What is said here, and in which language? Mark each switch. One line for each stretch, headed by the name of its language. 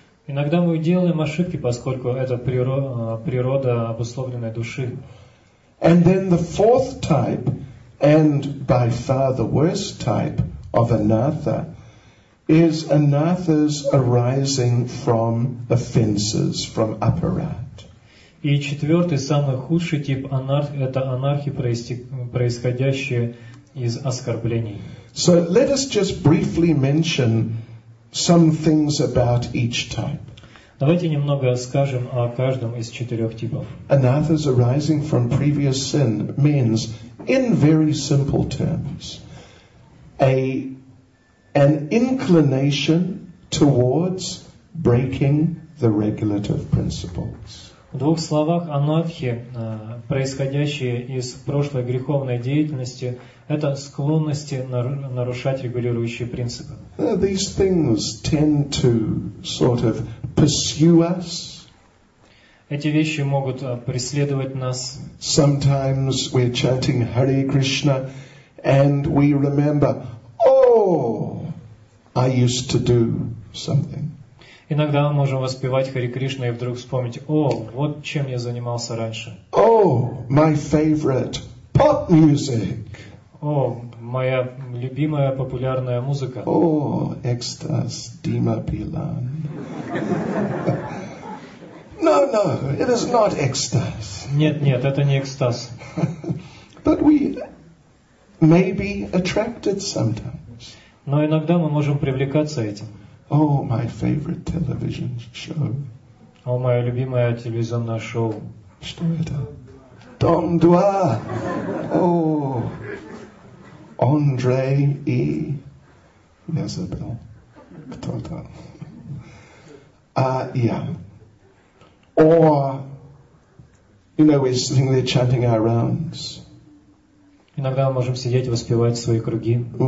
Russian: Иногда мы делаем ошибки, поскольку это природа обусловленной души.
English: And then the fourth type, and by far the worst type of anatha, is anathas arising from offenses, from aparat.
Russian: И четвертый, самый худший тип анарх, это анархи, происходящие из оскорблений.
English: So let us just briefly mention some things about each type.
Russian: Давайте немного скажем о каждом из четырех типов.
English: Anathas arising from previous sin means, in very simple terms, an inclination towards breaking the regulative principles.
Russian: В двух словах, анатхи, происходящие из прошлой греховной деятельности, это склонности нарушать регулирующие принципы.
English: These things tend to sort of pursue us.
Russian: Эти вещи могут преследовать нас.
English: Sometimes we're chanting Hare Krishna and we remember, oh, I used to do something.
Russian: Иногда мы можем воспевать Хари Кришна и вдруг вспомнить, о, вот чем я занимался раньше.
English: Oh, my favorite pop music.
Russian: О, моя любимая популярная музыка. Oh, экстаз, Дима Билан.
English: No, it is not экстаз.
Russian: Нет, это не экстаз.
English: But we may be attracted sometimes.
Russian: Но иногда мы можем привлекаться этим.
English: Oh, my favorite television show.
Russian: О, мое любимое телевизионное шоу. Что это? Дом 2. О, Андре и Изабел. Кто там?
English: Or, we're sitting there chanting our rounds.
Russian: Иногда мы можем сидеть, воспевать свои круги.